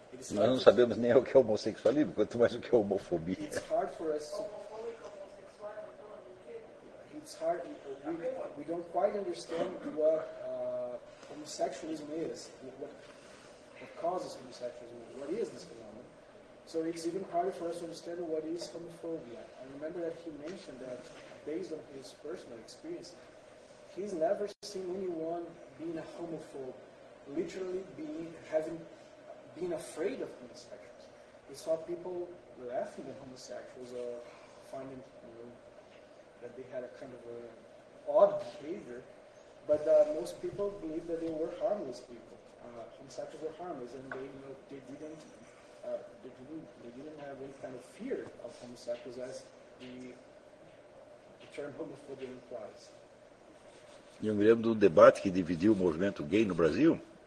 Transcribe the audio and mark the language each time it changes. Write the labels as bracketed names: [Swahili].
[Portuguese] nós não sabemos nem o que é homossexualismo, quanto mais o que é homofobia. [English] It's hard for us to... It's hard. We don't quite understand what homosexualism is, what causes homosexualism, what is this phenomenon. So it's even harder for us to understand what is homophobia. I remember that he mentioned that based on his personal experience, he's never seen anyone being a homophobe, literally being afraid of homosexuals. He saw people laughing at homosexuals or finding, you know, that they had a kind of an odd behavior, but most people believed that they were harmless people. Homosexuals were harmless, and they didn't have any kind of fear of homosexuals, as the term homophobia implies. [Portuguese] Eu me lembro do debate que dividiu o movimento gay no Brasil.